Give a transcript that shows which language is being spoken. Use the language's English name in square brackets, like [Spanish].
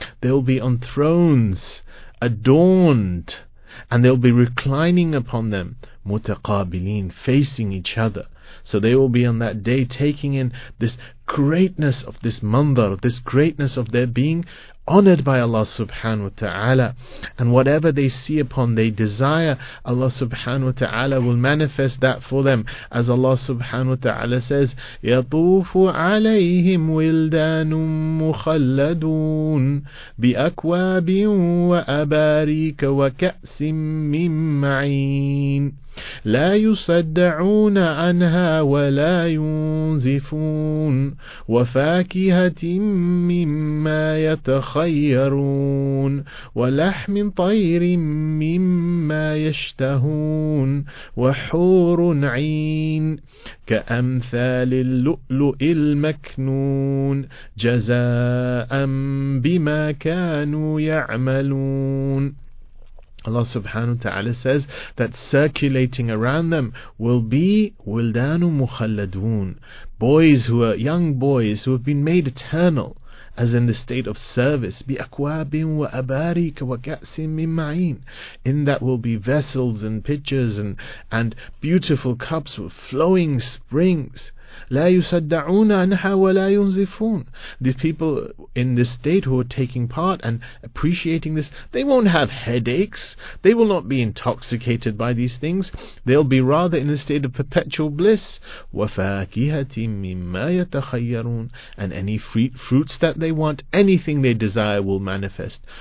[English] They will be on thrones adorned, and they will be reclining upon them, mutaqabilin, facing each other. So they will be on that day taking in this greatness of this mandar, this greatness of their being honored by Allah subhanahu wa ta'ala. And whatever they see upon, they desire, Allah subhanahu wa ta'ala will manifest that for them. As Allah subhanahu wa ta'ala says, [Arabic] يَطُوفُ عَلَيْهِمْ وِلْدَانٌ مُخَلَّدُونَ بِأَكْوَابٍ وَأَبَارِيكَ وَكَأْسٍ مِّن مَعِينٍ لا يصدعون عنها ولا ينزفون وفاكهة مما يتخيرون ولحم طير مما يشتهون وحور عين كأمثال اللؤلؤ المكنون جزاء بما كانوا يعملون. [English] Allah subhanahu wa ta'ala says that circulating around them will be [Arabic] wildanu mukhalladun, [English] boys who are young boys who have been made eternal, as in the state of service, [Arabic] bi akwabin wa abarik wa ka'sin min ma'in. [English] In that will be vessels and pitchers and beautiful cups with flowing springs. [Arabic] لا يصدعون عنها ولا ينزفون. [English] These people in this state who are taking part and appreciating this, they won't have headaches, they will not be intoxicated by these things, they'll be rather in a state of perpetual bliss. [Arabic] وَفَاكِهَةٍ مِمَّا يَتَخَيَّرُونَ [English] And any fruits that they want, anything they desire will manifest.